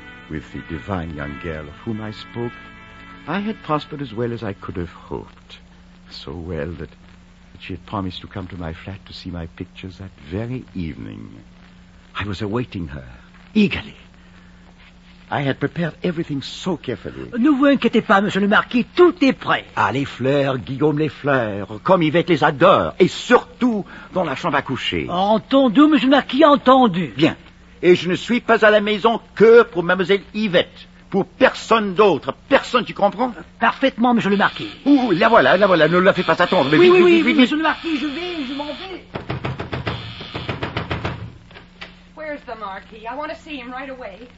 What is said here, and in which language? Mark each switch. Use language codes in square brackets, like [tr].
[en] With the divine young girl of whom I spoke, I had prospered as well as I could have hoped. So well that she had promised to come to my flat to see my pictures that very evening. I was awaiting her, eagerly. I had prepared everything so carefully. [fr] Ne vous inquiétez pas, monsieur le marquis, tout est prêt. Ah, les fleurs, Guillaume, les fleurs, comme Yvette les adore, et surtout dans la chambre à coucher. Entendu, monsieur le marquis, entendu. Bien, et je ne suis pas à la maison que pour mademoiselle Yvette, pour personne d'autre, personne, tu comprends? Parfaitement, monsieur le marquis. Ouh, la voilà, ne la fais pas attendre. Mais oui, monsieur le marquis, je m'en vais. [en] Where's the Marquis? I want to see him right away.